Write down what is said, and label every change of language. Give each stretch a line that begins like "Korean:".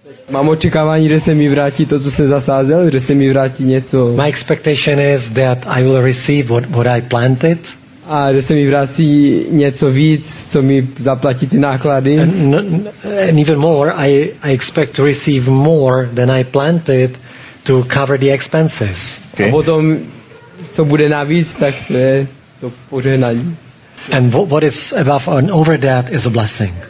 Czech: Mám očekávání, že se mi vrátí to, co jsem zasázel, že se mi vrátí něco.
English: My expectation is that I will receive what I planted.
Czech: a že se mi vrací něco víc, co mi zaplatí ty náklady.
English: And even more, I expect to receive more than I planted to cover the expenses. Okay.
Czech: A potom, co bude navíc, tak to je to požehnání.
English: And what is above and over that is a blessing.